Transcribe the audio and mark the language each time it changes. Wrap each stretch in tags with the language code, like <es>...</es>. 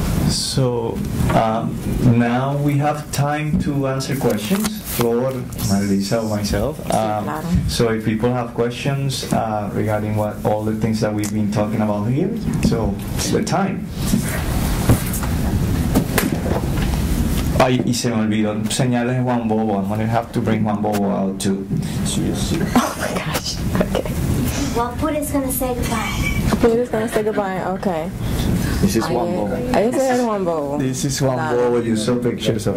<en>So now we have time to answer questions, Flor, Marilisa, or myself. So if people have questions regarding what all the things that we've been talking about here, so the time.</en> <es>Ay, y se me olvidó señales Juan Bobo.</es> <en>I'm going to have to bring Juan Bobo out too. Oh my gosh. Okay. Well, Pura's going to say goodbye. Pura's going to say goodbye. Okay. This is Juan Bobo. I said Juan Bobo. This is Juan Bobo. You saw pictures of</en>